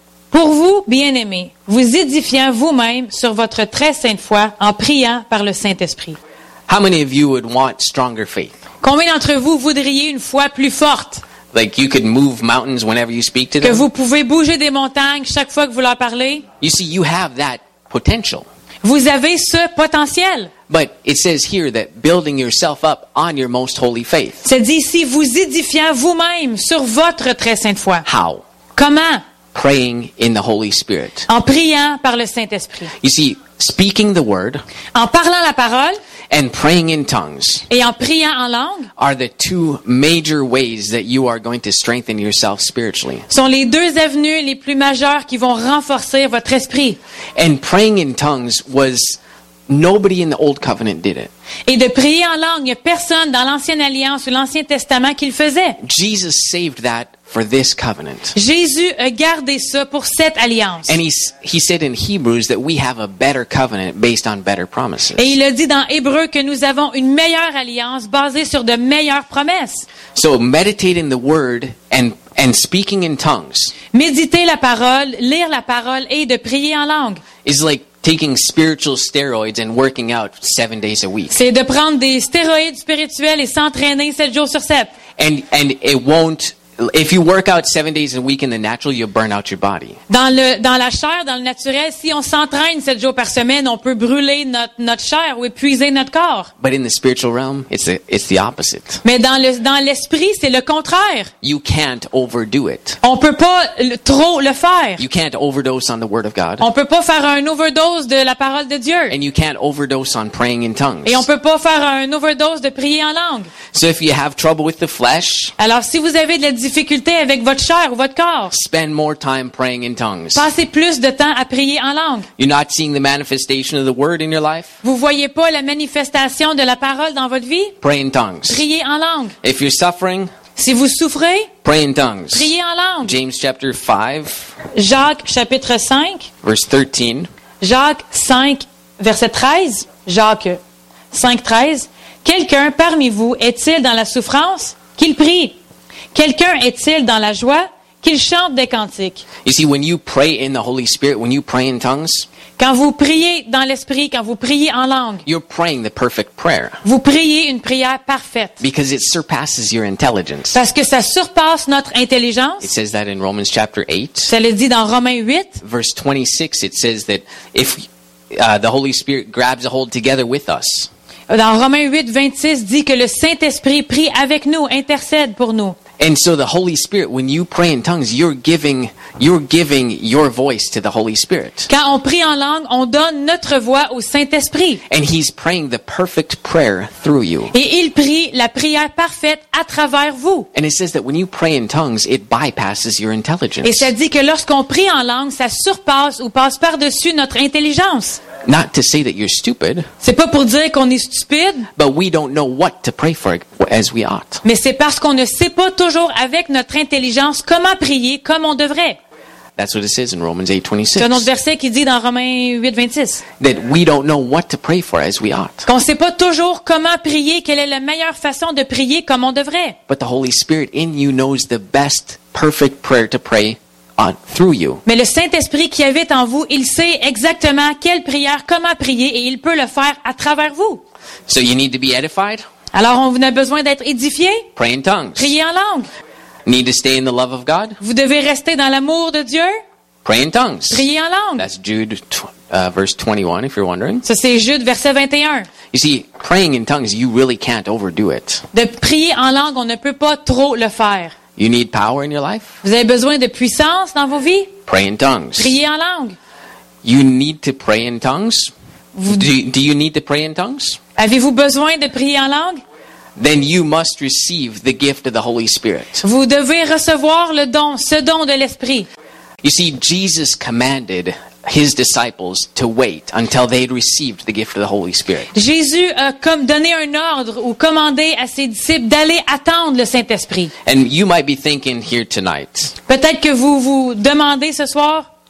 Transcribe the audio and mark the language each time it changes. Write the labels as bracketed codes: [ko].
[fr] Pour vous, bien-aimés, vous édifiant vous-même sur votre très sainte foi en priant par le Saint-Esprit. [en] How many of you would want stronger faith? [fr] Combien d'entre vous voudriez une foi plus forte? [en] Like you could move mountains whenever you speak to them? [fr] Que vous pouvez bouger des montagnes chaque fois que vous leur parlez? [en] You see, you have that potential. [fr] Vous avez ce potentiel. [en] But it says here that building yourself up on your most holy faith. [fr] C'est dit ici, vous édifiant vous-même sur votre très sainte foi. [en] How? [fr] Comment? [en] Praying in the Holy Spirit. [fr] En priant par le Saint-Esprit. [en] You see, speaking the word. [fr] En parlant la parole. [en] And praying in tongues. [fr] Et en priant en langue. [en] Are the two major ways that you are going to strengthen yourself spiritually. [fr] Sont les deux avenues les plus majeures qui vont renforcer votre esprit. [en] And praying in tongues was nobody in the old covenant did it. [fr] Et de prier en langue, il n'y a personne dans l'Ancienne Alliance ou l'Ancien Testament qui le faisait. [en] Jesus saved that for this covenant. [fr] Jésus a gardé ça pour cette alliance. [en] And he said in Hebrews that we have a better covenant based on better promises. [fr] Et il a dit dans Hébreux que nous avons une meilleure alliance basée sur de meilleures promesses. [en] So meditating the word and speaking in tongues. [fr] Méditer la parole, lire la parole et de prier en langue. [en] Is like taking spiritual steroids and working out 7 days a week. [fr] C'est de prendre des stéroïdes spirituels et s'entraîner 7 jours sur 7. [en] And it won't, if you work out 7 days a week in the natural, you burn out your body. [fr] Dans la chair, dans le naturel, si on s'entraîne 7 jours par semaine, on peut brûler notre chair ou épuiser notre corps. [en] But in the spiritual realm, it's the opposite. [fr] Mais dans l'esprit, c'est le contraire. [en] You can't overdo it. [fr] On peut pas trop le faire. [en] You can't overdose on the word of God. [fr] On peut pas faire un overdose de la parole de Dieu. [en] And you can't overdose on praying in tongues. [fr] Et on peut pas faire un overdose de prier en langue. [en] So if you have trouble with the flesh, [fr] alors si vous avez de la difficultés avec votre chair ou votre corps. [en] Spend more time praying in tongues. [fr] Passez plus de temps à prier en langue. [en] You're not seeing the manifestation of the word in your life. [fr] Vous voyez pas la manifestation de la parole dans votre vie? [en] Pray in tongues. [fr] Priez en langue. [en] If you're suffering, [fr] si vous souffrez, [en] pray in tongues. [fr] Priez en langue. [en] James chapter 5. [fr] Jacques chapitre 5. [en] Verse 13. [fr] Jacques 5 verset 13. Jacques 5 13. Quelqu'un parmi vous est-il dans la souffrance? Qu'il prie. Quelqu'un est-il dans la joie? Qu'il chante des cantiques. [en] You see, when you pray in the Holy Spirit, when you pray in tongues, [fr] quand vous priez dans l'esprit, quand vous priez en langue, [en] you're praying the perfect prayer. [fr] Vous priez une prière parfaite. [en] Because it surpasses your intelligence. [fr] Parce que ça surpasse notre intelligence. [en] It says that in Romans chapter 8. [fr] Ça le dit dans Romains 8. [en] Verse 26, it says that if the Holy Spirit grabs a hold together with us. [fr] Dans Romains 8, 26, dit que le Saint-Esprit prie avec nous, intercède pour nous. [en] And so the Holy Spirit, when you pray in tongues, you're giving your voice to the Holy Spirit. [fr] Quand on prie en langue, on donne notre voix au Saint-Esprit. [en] And he's praying the perfect prayer through you. [fr] Et il prie la prière parfaite à travers vous. [en] And it says that when you pray in tongues, it bypasses your intelligence. [fr] Et ça dit que lorsqu'on prie en langue, ça surpasse ou passe par-dessus notre intelligence. [en] Not to say that you're stupid. [fr] C'est pas pour dire qu'on est stupide. [en] But we don't know what to pray for as we ought. [fr] Mais c'est parce qu'on ne sait pas toujours avec notre intelligence comment prier comme on devrait. [en] That's what it says in Romans 8, 26. [fr] C'est un autre verset qui dit dans Romains 8, 26. [en] That we don't know what to pray for as we ought. [fr] Qu'on ne sait pas toujours comment prier, quelle est la meilleure façon de prier comme on devrait. [en] But the Holy Spirit in you knows the best perfect prayer to pray. Through you. [fr] Mais le Saint-Esprit qui habite en vous, il sait exactement quelle prière, comment prier, et il peut le faire à travers vous. [en] So you need to be edified. [fr] Alors, on a besoin d'être édifié. [en] Pray in tongues. [fr] Priez en langue. [en] Need to stay in the love of God. [fr] Vous devez rester dans l'amour de Dieu. [en] Pray in tongues. [fr] Priez en langue. [en] That's Jude Verse 21, if you're wondering. [fr] Ça, c'est Jude, verset 21. [en] You see, praying in tongues, you really can't overdo it. [fr] De prier en langue, on ne peut pas trop le faire. [en] You need power in your life? [fr] Vous avez besoin de puissance dans vos vies? [en] Pray in tongues. [fr] Priez en langue. [en] You need to pray in tongues? Do you need to pray in tongues? [fr] Avez-vous besoin de prier en langue? [en] Then you must receive the gift of the Holy Spirit. [fr] Vous devez recevoir le don, ce don de l'Esprit. [en] You see, Jesus commanded his disciples to wait until they had received the gift of the Holy Spirit. [fr] Jésus a comme donné un ordre ou commandé à ses disciples d'aller attendre le Saint-Esprit. [en] And you might be thinking here tonight. [fr] Peut-être que vous vous demandez ce soir.